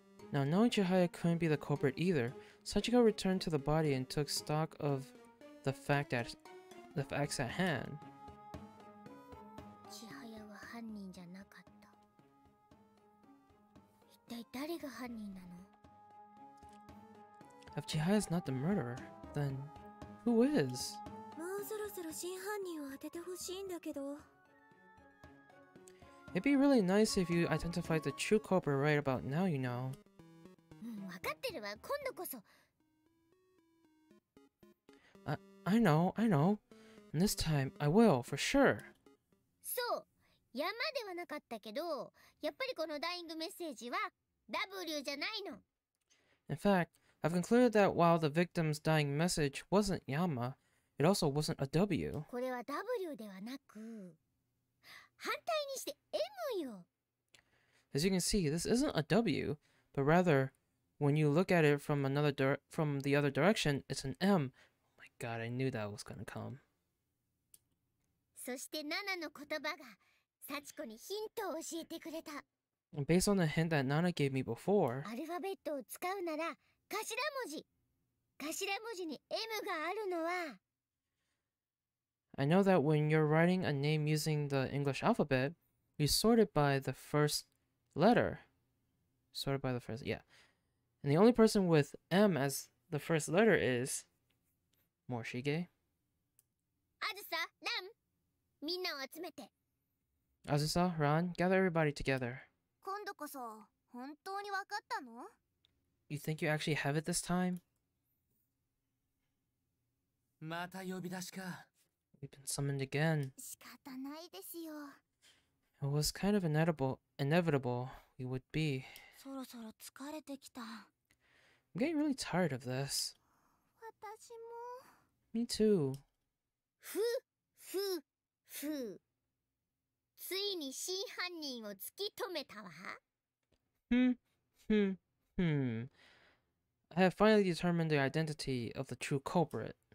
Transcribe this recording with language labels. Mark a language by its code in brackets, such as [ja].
[en] Now knowing Chihaya couldn't be the culprit either, Sachiko returned to the body and took stock of the facts at hand. [ja] Chihaya は犯人じゃなかった。一体誰が犯人なの? [en] If Chihaya is not the murderer, then who is? [ja] もうそろそろ真犯人を当ててほしいんだけど。 [en] It'd be really nice if you identified the true culprit right about now, you know. [ja] わかってるわ、今度こそ。 [en] I know. And this time, I will, for sure. [ja] そう、山ではなかったけど、やっぱりこのダイイングメッセージは W じゃないの。 [en] In fact, I've concluded that while the victim's dying message wasn't Yama, it also wasn't a W. [ja] これは W ではなく、反対にして M よ。 [en] As you can see, this isn't a W, but rather, when you look at it from another from the other direction, it's an M. Oh my god, I knew that was gonna come. [ja] そしてナナの言葉がサチコにヒントを教えてくれた。 [en] Based on the hint that Nana gave me before, [ja] アルファベットを使うなら頭文字に M があるのは、 [en] I know that when you're writing a name using the English alphabet, you sort it by the first letter. And the only person with M as the first letter is Morshige. [ja] Azusa, Ran, minna o atsumete. [en] Azusa, Ran, gather everybody together. [ja] 今度こそ本当に分かったの? [en] You think you actually have it this time? [ja] また呼び出しか。 [en] We've been summoned again. [ja] 仕方ないですよ。 [en] It was kind of inevitable we would be. [ja] そろそろ疲れてきた。 [en] I'm getting really tired of this. [ja] 私も。 [en] Me too. ふふふ。 [ja] ついに真犯人を突き止めたわ。 [en] I have finally determined the identity of the true culprit.